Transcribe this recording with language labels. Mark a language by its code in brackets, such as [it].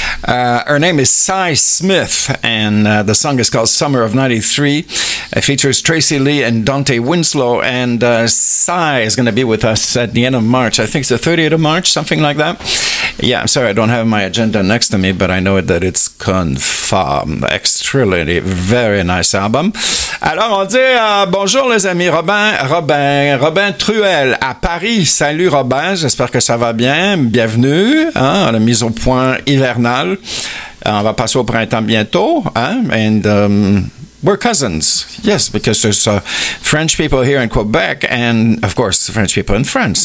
[en] Her name is Cy Smith, and the song is called Summer of 93. It features Tracy Lee and Dante Winslow, and Cy is going to be with us at the end of March. I think it's the 30th of March, something like that. Yeah, I'm sorry, I don't have my agenda next to me, but I know that it's confirmed. Extremely, very nice album. [fr] Alors, on dit bonjour les amis, Robin Truel à Paris. Salut Robin, j'espère que ça va bien. Bienvenue hein, à la mise au point hivernale. On va passer au printemps bientôt. Hein? [en] And we're cousins. Yes, because there's French people here in Quebec and, of course, French people in France.